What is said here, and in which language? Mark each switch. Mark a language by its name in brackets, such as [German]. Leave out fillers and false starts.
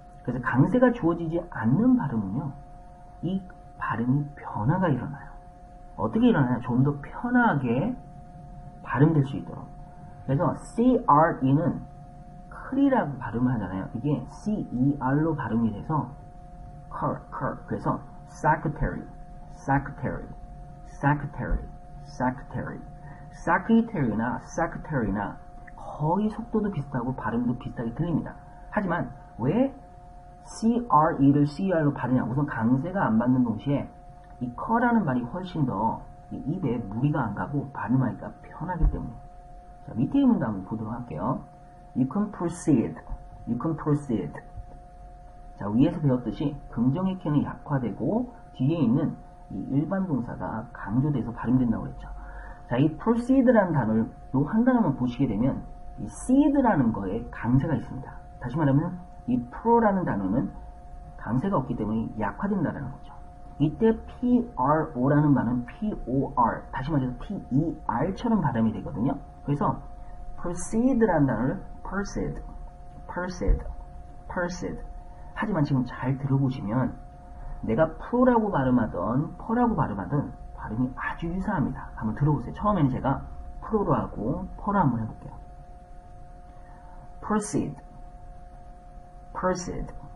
[Korean] 그래서 강세가 주어지지 않는 발음은요. 이 발음이 변화가 일어나요. 어떻게 일어나냐? 좀 더 편하게 발음될 수 있도록. 그래서 CRE는 클이라고 발음을 하잖아요. 이게 CER로 발음이 돼서 cur, cur. 그래서 [English] secretary, secretary, secretary, secretary. [Korean] secretary나 secretary나 거의 속도도 비슷하고 발음도 비슷하게 들립니다. 하지만 왜 CRE를 CER로 발음이냐? 우선 강세가 안 받는 동시에 이 커라는 말이 훨씬 더 입에 무리가 안 가고 발음하기가 편하기 때문에. 자, 밑에 문도 한번 보도록 할게요. [English] You can proceed. You can proceed. [Korean] 자, 위에서 배웠듯이 긍정의 캔이 약화되고 뒤에 있는 이 일반 동사가 강조돼서 발음된다고 했죠. 자, 이 proceed라는 단어를 또 한 단어만 보시게 되면 이 seed라는 거에 강세가 있습니다. 다시 말하면 이 pro라는 단어는 강세가 없기 때문에 약화된다는 거죠. 이때 pro라는 말은 por, 다시 말해서 ter처럼 발음이 되거든요. 그래서 proceed라는 단어를 proceed, proceed, proceed. 하지만 지금 잘 들어보시면 내가 pro라고 발음하던 per라고 발음하던 발음이 아주 유사합니다. 한번 들어보세요. 처음에는 제가 pro로 하고 per로 한번 해볼게요. [English] proceed, proceed.